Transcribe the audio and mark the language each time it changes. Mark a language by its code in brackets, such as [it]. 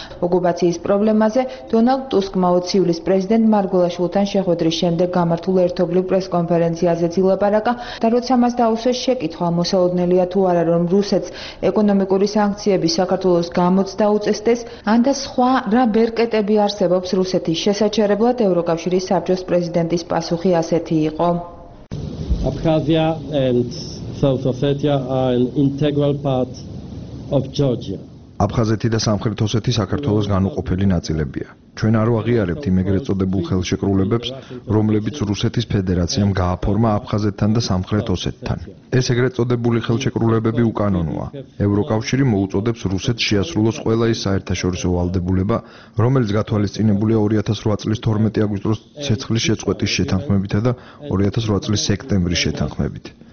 [ka] ოკუპაციის პრობლემაზე დონალდ ტუსკმა 20 ივლისს პრეზიდენტ მარგულაშვილთან შეხვედრის შემდეგ გამართულ ერთობლივ პრესკონფერენციაზე ძილაპარაკა და როცა მას დაუსვეს შეკითხვა, მოსალოდნელია თუ არა, რომ რუსეთს ეკონომიკური სანქციები საქართველოს გამოც დაუწესდეს, ან და სხვა რა ბერკეტები არსებობს რუსეთის შესაჩერებლად, ევროკავშირის საბჭოს პრეზიდენტის პასუხი ასეთი იყო. [en] აფხაზია and South Ossetia are an integral part of Georgia. [ka] აფხაზეთი და სამხრეთ ოსეთი საქართველოს განუყოფელი ნაწილებია. ჩვენ არ ვაღიარებთ იმ ეგრეთ წოდებულ ხელშეკრულებებს, რომლებიც რუსეთის ფედერაციამ გააფორმა აფხაზეთთან და სამხრეთ ოსეთთან. ეს ეგრეთ წოდებული ხელშეკრულებები უკანონოა. ევროკავშირი მოუწოდებს რუსეთს შეასრულოს ყველა ის საერთაშორისო ვალდებულება, რომელიც გათვალისწინებულია 2008 წლის 12 აგვისტოს ცეცხლის შეწყვეტის შეთანხმებითა და 2008 წლის სექტემბრის შეთანხმებით.